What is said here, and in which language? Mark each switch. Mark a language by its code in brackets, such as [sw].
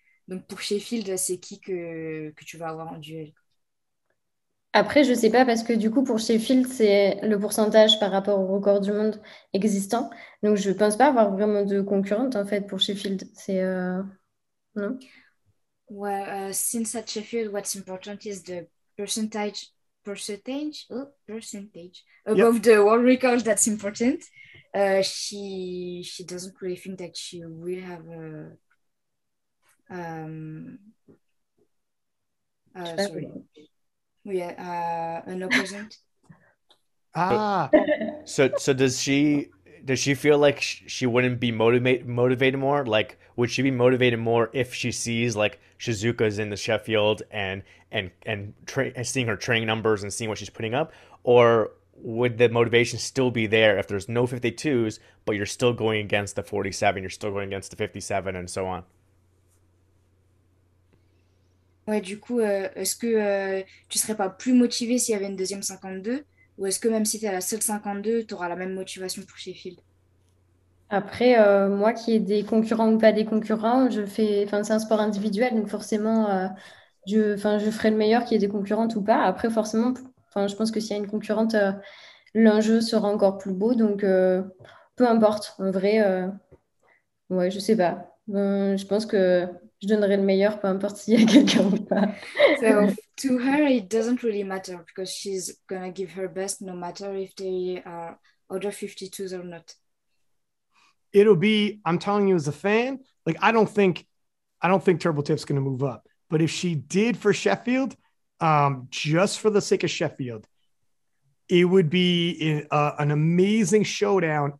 [fr] Donc, pour Sheffield, c'est qui que tu vas avoir en duel? Après, je ne sais pas, parce que du coup, pour Sheffield, c'est le pourcentage par rapport au record du monde existant. Donc, je ne pense pas avoir vraiment de concurrente, en fait, pour Sheffield. C'est... [en] No. Well, since at Sheffield, what's important is the percentage above the world record. That's important. She doesn't really think that she will have a. An opponent. So does she? Does she feel like she wouldn't be motivated more? Like, would she be motivated more if she sees like Shizuka's in the Sheffield and seeing her training numbers and seeing what she's putting up? Or would the motivation still be there if there's no 52s, but you're still going against the 47, you're still going against the 57 and so on? [fr] Ouais, du coup, est-ce que tu serais pas plus motivé s'il y avait une deuxième 52? Ou est-ce que même si tu es à la seule 52, tu auras la même motivation pour Sheffield? Après, moi qui ai des concurrents ou pas des concurrents, c'est un sport individuel, donc forcément, je ferai le meilleur qu'il y ait des concurrentes ou pas. Après, forcément, je pense que s'il y a une concurrente, l'enjeu sera encore plus beau. Donc, peu importe, en vrai, ouais, je sais pas. Je pense que je donnerai le meilleur, peu importe s'il y a quelqu'un ou pas. [en] To her, it doesn't really matter because she's gonna give her best no matter if they are other 52s or not. It'll be, I'm telling you as a fan, like I don't think Turbo Tiff's gonna move up. But if she did for Sheffield, just for the sake of Sheffield, it would be an amazing showdown.